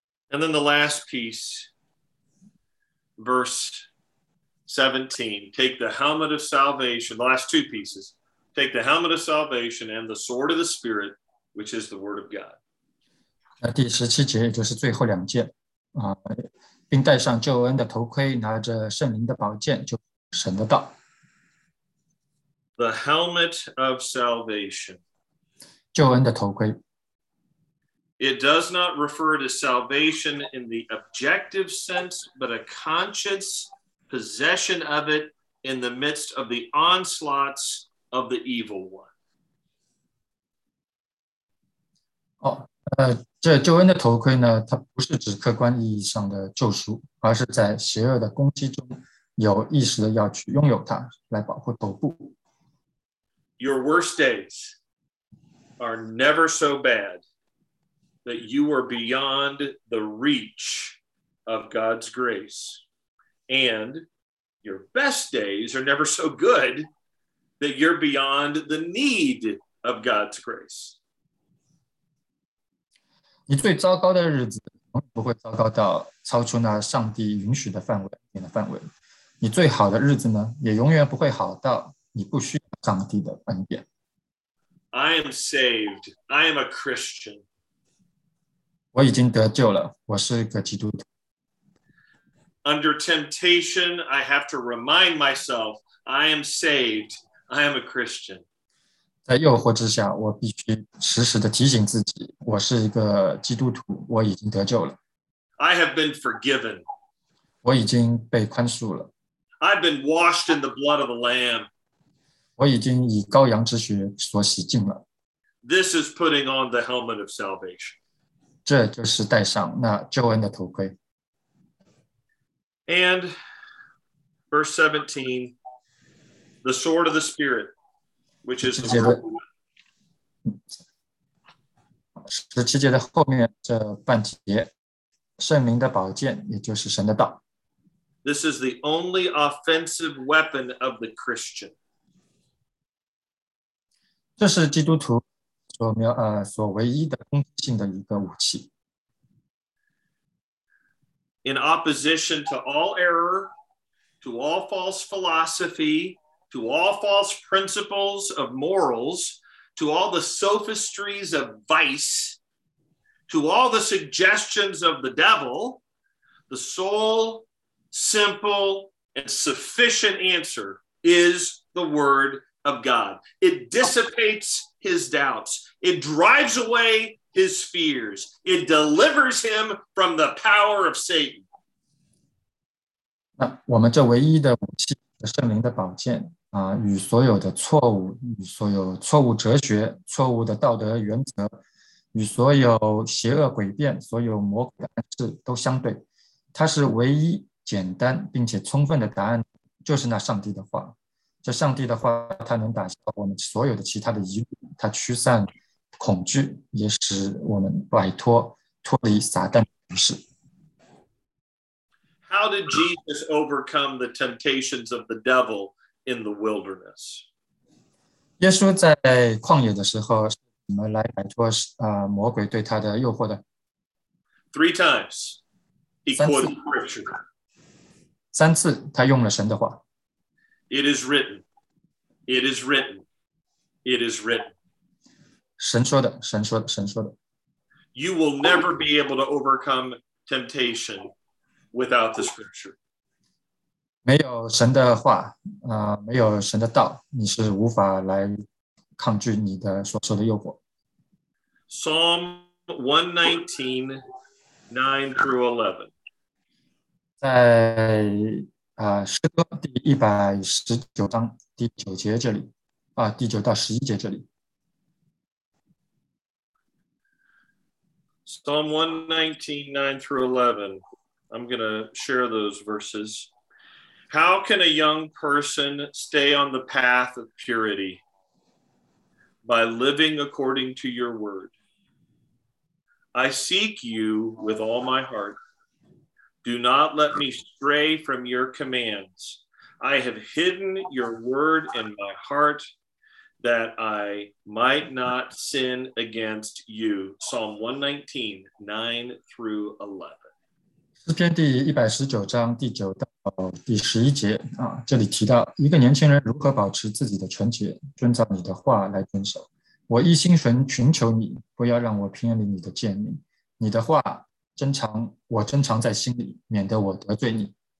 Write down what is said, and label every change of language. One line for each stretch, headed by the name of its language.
English: And then the last piece, verse 17, take the helmet of salvation, the last two pieces, take the helmet of salvation and the sword of the Spirit, which is the word of God.
Chinese: 那第十七节就是最后两件，并戴上救恩的头盔，拿着圣灵的宝剑，就神的道。
English: The helmet of salvation.
Chinese: 救恩的头盔。
English: It does not refer to salvation in the objective sense, but a conscious possession of it in the midst of the onslaughts of the evil one.
Chinese: 这救恩的头盔呢，它不是指客观意义上的救赎，而是在邪恶的攻击中有意识的要去拥有它，来保护头部。
English: Your worst days are never so bad that you are beyond the reach of God's grace. And your best days are never so good that you're beyond the need of God's grace.
Chinese: 你最糟糕的日子永远不会糟糕到超出那上帝允许的范围，你的范围。你最好的日子呢，也永远不会好到你不需要上帝的恩典。
English: I am saved. I am a Christian.
Chinese: 我已经得救了，我是个基督徒。
English: Under temptation, I have to remind myself, I am saved, I am a Christian.
Chinese: 在诱惑之下，我必须时时地提醒自己，我是一个基督徒，我已经得救了。
English: I have been forgiven.
Chinese: 我已经被宽恕了。
English: I've been washed in the blood of the Lamb.
Chinese: 我已经以羔羊之血所洗净了。
English: This is putting on the helmet of salvation.
Chinese: 这就是戴上那救恩的头盔。
English: And verse 17, the sword of the Spirit, which is the word.
Chinese: 十七节的后面这半节，圣灵的宝剑，也就是神的道。
English: This is the only offensive weapon of the Christian.
Chinese: 这是基督徒。所唯一的攻击性的一个武器。
English: In opposition to all error, to all false philosophy, to all false principles of morals, to all the sophistries of vice, to all the suggestions of the devil, the sole, simple, and sufficient answer is the word of God. It dissipates his doubts. It drives away his fears. It delivers him from the power of Satan.
Chinese: 那我们这唯一的武器，圣灵的宝剑啊，与所有的错误，与所有错误哲学、错误的道德原则，与所有邪恶诡辩、所有魔鬼的暗示都相对。它是唯一简单并且充分的答案，就是那上帝的话。这上帝的话，它能打消我们所有的其他的疑虑，它驱散恐惧，也使我们摆脱脱离撒旦的权势。
English: How did Jesus overcome the temptations of the devil in the wilderness?
Chinese: 耶稣在旷野的时候，怎么来摆脱魔鬼对他的诱惑的？
English: Three times he quoted scripture.
Chinese: 三次他用了神的话。
English: It is written. It is written. It is written.
Chinese: 神说的，神说的，神说的。
English: You will never be able to overcome temptation without the scripture.
Chinese: 没有神的话，没有神的道，你是无法来抗拒你的所受的诱惑。
English: Psalm 119:9-11.
Chinese: 诗歌第119章第九节这里，第9到11节这里。
English: Psalm 119, 9 through 11. I'm going to share those verses. How can a young person stay on the path of purity? By living according to your word. I seek you with all my heart. Do not let me stray from your commands. I have hidden your word in my heart that I might not sin against you. Psalm 119, 9 through 11.
Chinese: 诗篇第119章第9到第11节啊，这里提到一个年轻人如何保持自己的纯洁，遵照你的话来遵守。我一心寻求你，不要让我偏离你的诫命。你的话珍藏在心里，免得我得罪你。